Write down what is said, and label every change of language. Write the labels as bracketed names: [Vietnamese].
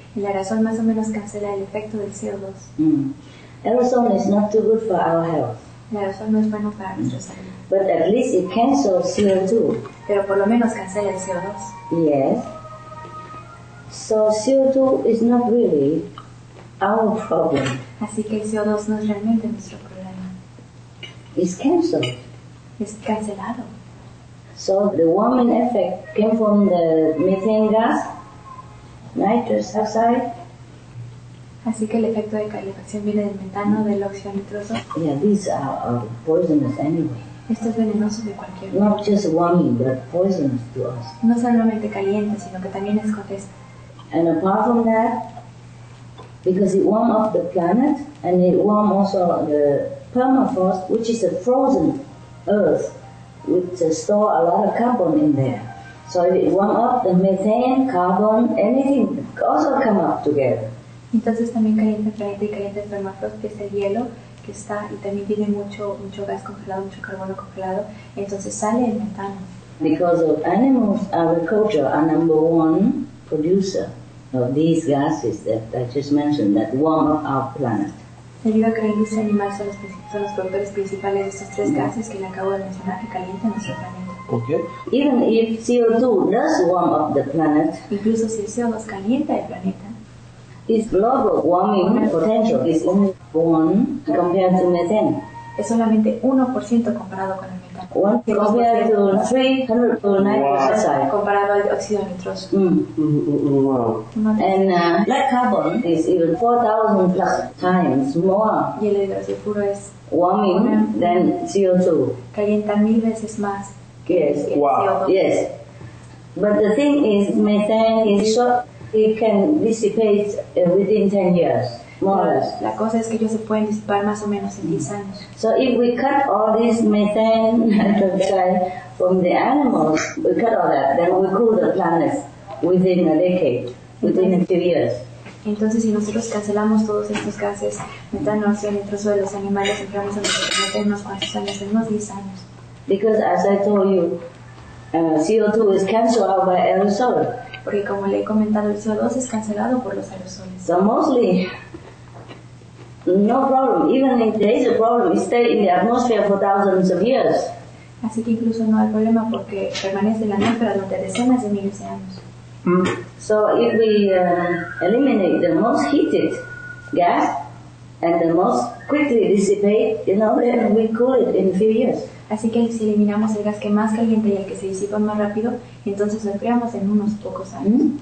[Spanish] El aerosol más o menos cancela el efecto del CO2. [English] Aerosol is not too good for our health. [Spanish] El aerosol no es bueno para nuestra salud. [English] But at least it cancels CO2. [Spanish] Pero por lo menos cancela el CO2. [English] Yes. So CO2 is not really our problem. [Spanish] Así que el CO2 no es realmente nuestro problema. [English] It's cancelled. [Spanish] Es cancelado. [English] So the warming effect came from the methane gas. Nitrous oxide. [Spanish] Así que el efecto de calefacción viene del metano, del óxido nitroso. [English] Yeah, these are poisonous anyway. [Spanish] Esto es venenoso de cualquier manera. [English] Not just warming, but poisonous to us. [Spanish] No solamente caliente, sino que también es cortés. [English] And apart from that, because it warms up the planet, and it warms also the permafrost, which is a frozen earth, which store a lot of carbon in there. So if it warm up, the methane, carbon, anything also come up together. [Spanish] Entonces también caliente planeta y caliente permafrost, que es el hielo que está y también tiene mucho gas congelado, mucho carbono congelado. Entonces sale el metano. [English] Because of animals, agriculture are number one producer of these gases that I just mentioned that warm up our planet. [Spanish] Debido a que la industria animal son los productores principales de estos tres gases que le acabo de mencionar que calientan nuestro planeta. [English] Okay. Even if CO2 does warm up the planet, [Spanish] incluso si el CO2 calienta el planeta, [English] its global warming potential is only 1 compared to methane. [Spanish] Es solamente 1% comparado con el metano. [English] 1 compared to 300 to nitrous oxide. [Spanish] Comparado al óxido nitroso. [English] Wow. And black carbon is even 4,000 plus times more. [Spanish] Y el hidrocarburo es [English] warming than CO2. [Spanish] Calienta mil veces más. [English] Yes. Wow. Yes. But the thing is, methane is short. It can dissipate within 10 years, more or less. [Spanish] La cosa es que ellos se pueden disipar más o menos en 10 años. [English] So if we cut all this methane nitrogen from the animals, we cut all that, then we cool the planet within a decade, within a few years. [Spanish] Entonces, si nosotros cancelamos todos estos gases, metano, oxígeno, nitroso de los animales, entramos en unos cuantos años, en unos 10 años. [English] Because as I told you, CO2 is cancelled out by aerosol. [Spanish] Porque como le he comentado, el CO2 es cancelado por los aerosoles. [English] So mostly, no problem. Even if there is a problem, it stays in the atmosphere for thousands of years. [Spanish] Así que incluso no hay problema porque permanece en la atmósfera durante decenas de miles de años. [English] So if we eliminate the most heated gas and the most quickly dissipate, you know, then we cool it in a few years. [Spanish] Así que si eliminamos el gas que más caliente y el que se disipa más rápido, entonces lo enfriamos en unos pocos años.